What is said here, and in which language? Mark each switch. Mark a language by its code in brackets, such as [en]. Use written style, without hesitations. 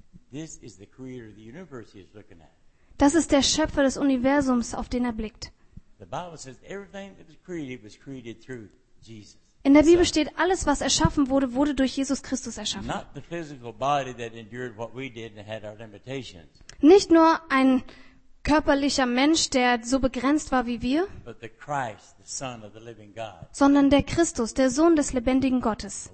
[en] This is the creator of the universe he is looking at. [de] Das ist der Schöpfer des Universums, auf den er blickt. [en] The Bible says everything that was created through Jesus. [de] In der Bibel steht, alles, was erschaffen wurde, wurde durch Jesus Christus erschaffen. [en] Not the physical body that endured what we did and had our limitations. [de] Nicht nur ein körperlicher Mensch, der so begrenzt war wie wir, [en] but the Christ, the Son of the living God. [de] Sondern der Christus, der Sohn des lebendigen Gottes.